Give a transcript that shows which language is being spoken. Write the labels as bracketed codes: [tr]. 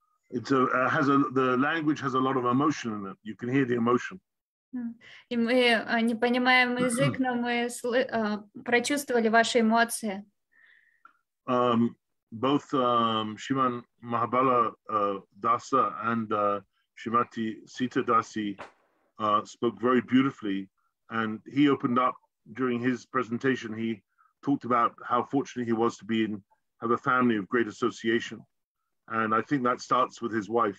[en] It's the language has a lot of emotion in it. You can hear the emotion. [ru] И мы не понимаем язык, но мы прочувствовали ваши эмоции. [en] Both Sriman Mahabala Dasa and Srimati Sita Dasi spoke very beautifully, and he opened up during his presentation. He talked about how fortunate he was to have a family of great association, and I think that starts with his wife.